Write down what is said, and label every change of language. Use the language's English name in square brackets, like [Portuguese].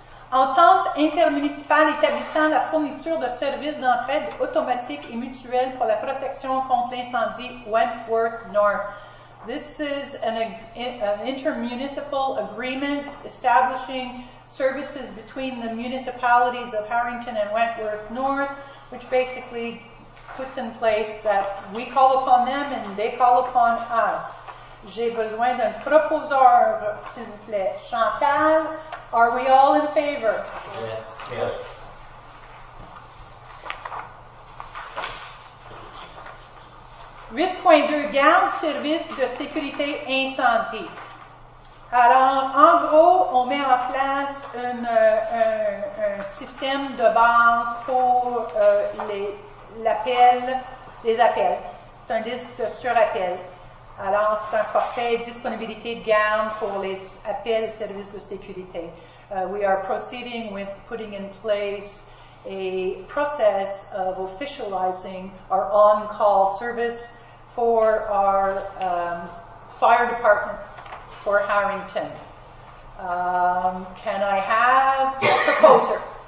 [French] Entente intermunicipale établissant la fourniture de services d'entraide automatique et mutuelle pour la protection contre l'incendie Wentworth North. [English] This is an intermunicipal agreement establishing services between the municipalities of Harrington and Wentworth North, which basically puts in place that we call upon them and they call upon us. [French] J'ai besoin d'un proposeur, s'il vous plaît. [English] Chantal, are we all in favor? Yes, yes. [French] Huit point deux, garde service de sécurité incendie. Alors, en gros, on met en place un système de base pour les appels. C'est un disque de surappel. Alors, c'est un forfait disponibilité de garde pour les appels services de sécurité. [English] We are proceeding with putting in place a process of officializing our on-call service for our fire department for Harrington. Can I have a proposer?